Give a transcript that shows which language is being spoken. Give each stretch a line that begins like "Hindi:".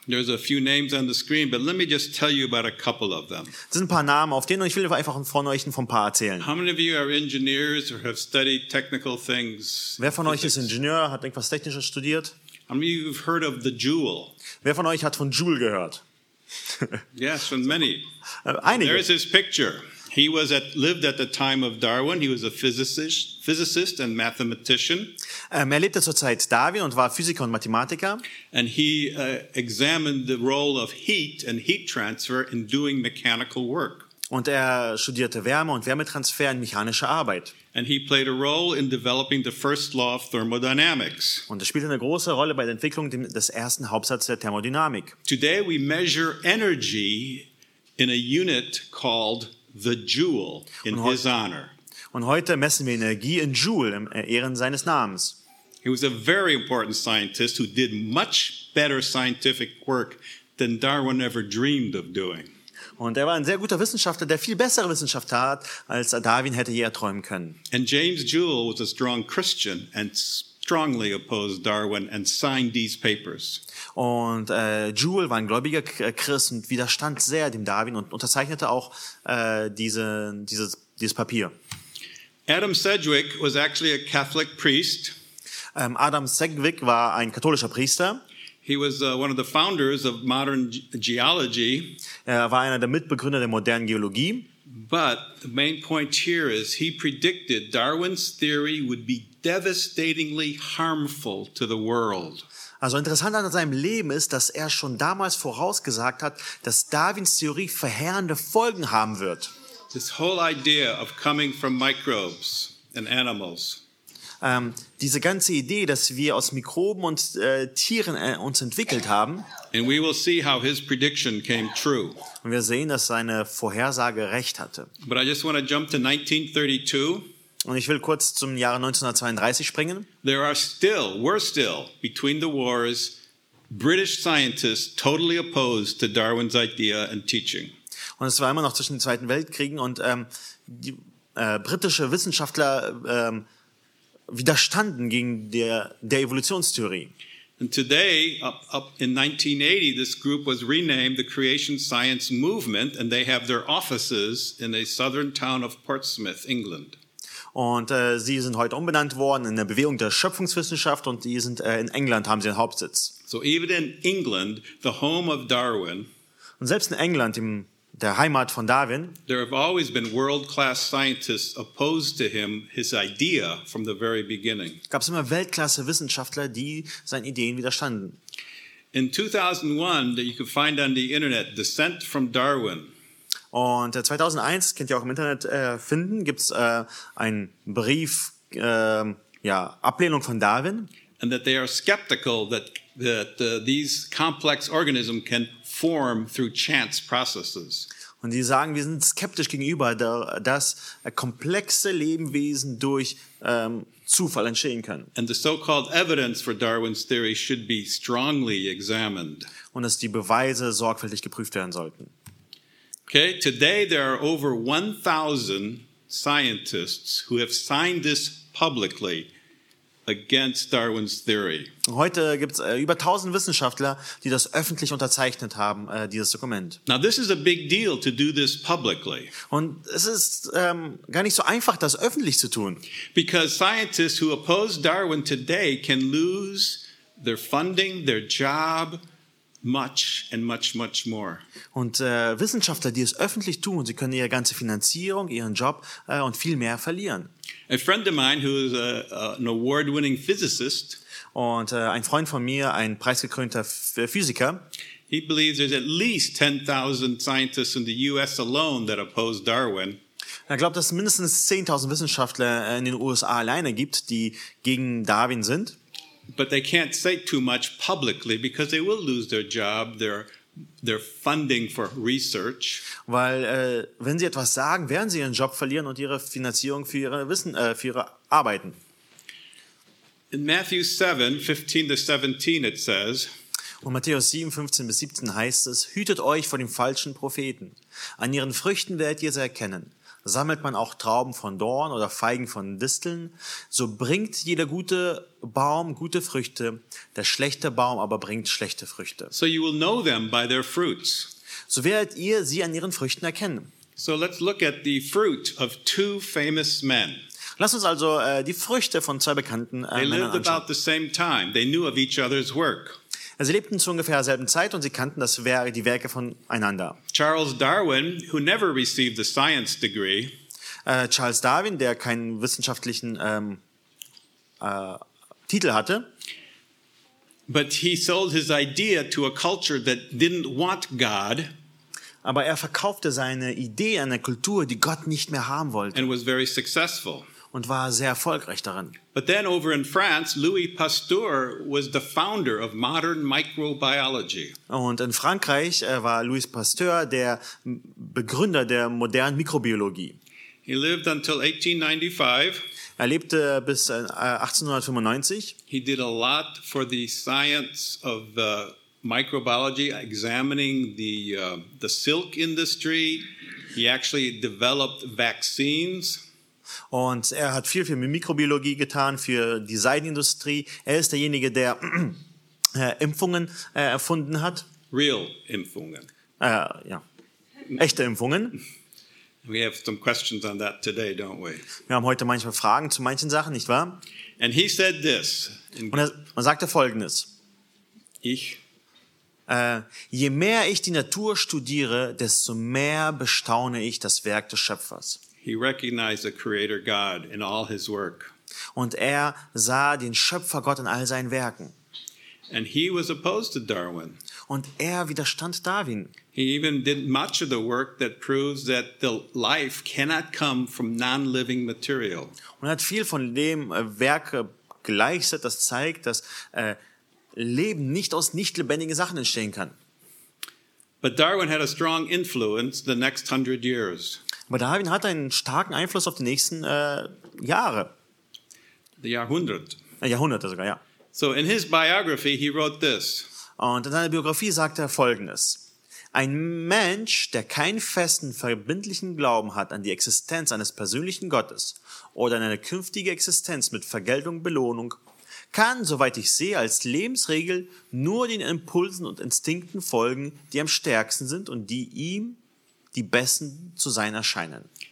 English: There's a few names on the screen, but let me just tell you about a couple of them.
German: Es sind ein paar Namen auf denen und ich will einfach von euch ein paar erzählen.
English: How many of you are engineers or have studied technical things?
German: Wer von euch ist Ingenieur, hat irgendwas Technisches studiert?
English: How many of you have heard of the Joule?
German: Wer von euch hat von Joule gehört?
English: Yes, from many.
German: Einige.
English: There's his picture. He was lived at the time of Darwin. He was a physicist and mathematician.
German: Er lebte zur Zeit Darwin und war Physiker und Mathematiker.
English: And he examined the role of heat and heat transfer in doing mechanical work.
German: Und studierte Wärme und Wärmetransfer in mechanischer Arbeit.
English: And he played a role in developing the first law of thermodynamics.
German: Und spielte eine große Rolle bei der Entwicklung des ersten Hauptsatzes der Thermodynamik.
English: Today we measure energy in a unit called the Joule in his honor.
German: Und heute messen wir Energie in Joule im Ehren seines Namens.
English: He was a very important scientist who did much better scientific work than Darwin ever dreamed of doing.
German: Und er war ein sehr guter Wissenschaftler, der viel bessere Wissenschaft hat, als Darwin hätte je erträumen können.
English: And James Jewell was a strong Christian and strongly opposed Darwin and signed these papers.
German: Und Jewell war ein gläubiger Christ und widerstand sehr dem Darwin und unterzeichnete auch dieses Papier.
English: Adam Sedgwick was actually a Catholic priest.
German: Adam Sedgwick war ein katholischer Priester.
English: He was one of the founders of modern geology.
German: Er war einer der Mitbegründer der modernen Geologie.
English: But the main point here is he predicted Darwin's theory would be devastatingly harmful to the world.
German: Also interessant an seinem Leben ist, dass er schon damals vorausgesagt hat, dass Darwins Theorie verheerende Folgen haben wird.
English: This whole idea of coming from microbes and animals.
German: Diese ganze Idee, dass wir aus Mikroben und Tieren uns entwickelt haben.
English: And we will see how his prediction came true.
German: Und wir sehen, dass seine Vorhersage recht hatte.
English: But I just want to jump to 1932.
German: Und ich will kurz zum Jahre 1932 springen.
English: There are still, were still, between the wars, British scientists totally opposed to Darwin's idea and teaching.
German: Und es war immer noch zwischen den Zweiten Weltkriegen und britische Wissenschaftler widerstanden gegen der Evolutionstheorie.
English: And today, up in 1980, this group was renamed the Creation Science Movement, and they have their offices in a southern town of Portsmouth, England.
German: Und sie sind heute umbenannt worden in der Bewegung der Schöpfungswissenschaft, und die sind in England, haben sie einen Hauptsitz.
English: So even in England, the home of Darwin.
German: Und selbst in England, der Heimat von Darwin.
English: There have always been world-class scientists opposed to him, his idea from the very beginning.
German: Gab es immer Weltklasse Wissenschaftler, die seinen Ideen widerstanden.
English: In 2001, that you can find on the internet, Descent from Darwin.
German: Und 2001 könnt ihr auch im Internet finden, gibt's einen Brief, Ablehnung von Darwin.
English: And that they are skeptical that these complex organisms can form through chance processes.
German: Und die sagen, wir sind skeptisch gegenüber, dass komplexe Lebewesen durch Zufall entstehen können.
English: And the so-called evidence for Darwin's theory should be strongly examined.
German: Und dass die Beweise sorgfältig geprüft werden sollten.
English: Okay, today there are over 1,000 scientists who have signed this publicly. Against Darwin's theory.
German: Heute gibt's über 1,000 Wissenschaftler, die das öffentlich unterzeichnet haben, dieses Dokument.
English: Now this is a big deal to do this publicly.
German: Und es ist gar nicht so einfach, das öffentlich zu tun.
English: Because scientists who oppose Darwin today can lose their funding, their job, much and much, much more.
German: Und Wissenschaftler, die es öffentlich tun, sie können ihre ganze Finanzierung, ihren Job und viel mehr verlieren.
English: A friend of mine who is an award-winning physicist.
German: Und ein Freund von mir, ein preisgekrönter Physiker.
English: He believes there's at least 10,000 scientists in the US alone that oppose Darwin.
German: Er glaubt, dass es mindestens 10,000 Wissenschaftler in den USA alleine gibt, die gegen Darwin sind.
English: But they can't say too much publicly because they will lose their job, their funding for research.
German: Weil wenn sie etwas sagen, werden sie ihren Job verlieren und ihre Finanzierung für ihre Wissen für ihre Arbeiten.
English: In Matthew 7:15-17 it says.
German: Und Matthäus 7:15-17 heißt es: Hütet euch vor den falschen Propheten. An ihren Früchten werdet ihr sie erkennen. Sammelt man auch Trauben von Dorn oder Feigen von Disteln, so bringt jeder gute Baum gute Früchte, der schlechte Baum aber bringt schlechte Früchte.
English: So you will know them by their fruits.
German: So werdet ihr sie an ihren Früchten erkennen.
English: So let's look at the fruit of two famous men.
German: Lass uns also die Früchte von zwei bekannten Männern anschauen.
English: They lived about the same time. They knew of each other's work.
German: Sie lebten zu ungefähr derselben Zeit und sie kannten die Werke voneinander.
English: Charles Darwin, who never received a science degree,
German: Charles Darwin, der keinen wissenschaftlichen Titel hatte,
English: but he sold his idea to a culture that didn't want God.
German: Aber er verkaufte seine Idee an eine Kultur, die Gott nicht mehr haben wollte.
English: And was very successful.
German: Und war sehr erfolgreich darin.
English: But then over in France, Louis Pasteur was the founder of modern microbiology.
German: Und in Frankreich war Louis Pasteur der Begründer der modernen Mikrobiologie.
English: He lived until 1895.
German: Er lebte bis 1895.
English: He did a lot for the science of the microbiology, examining the silk industry. He actually developed vaccines.
German: Und er hat viel, viel mit Mikrobiologie getan für die Seidenindustrie. Er ist derjenige, der Impfungen erfunden hat. Real Impfungen. Ja, echte Impfungen.
English: We have some questions on that today, don't we?
German: Wir haben heute manchmal Fragen zu manchen Sachen, nicht wahr?
English: And he said this.
German: Und er sagte Folgendes. Ich. Je mehr ich die Natur studiere, desto mehr bestaune ich das Werk des Schöpfers.
English: He recognized the Creator God in all his work.
German: Und er sah den Schöpfer Gott in all seinen Werken.
English: And he was opposed to Darwin.
German: Und er widerstand Darwin.
English: He even did much of the work that proves that the life cannot come from non-living material.
German: Und er hat viel von dem Werk geleistet, das zeigt, dass Leben nicht aus nicht lebendigen Sachen entstehen kann.
English: But Darwin had a strong influence the next 100 years.
German: Aber Darwin hatte einen starken Einfluss auf die nächsten Jahre. The Jahrhundert. Jahrhunderte sogar, ja.
English: So in his biography he wrote this.
German: Und in seiner Biografie sagt er Folgendes. Ein Mensch, der keinen festen, verbindlichen Glauben hat an die Existenz eines persönlichen Gottes oder an eine künftige Existenz mit Vergeltung, Belohnung, kann, soweit ich sehe, als Lebensregel nur den Impulsen und Instinkten folgen, die am stärksten sind und die ihm die besten zu sein erscheinen.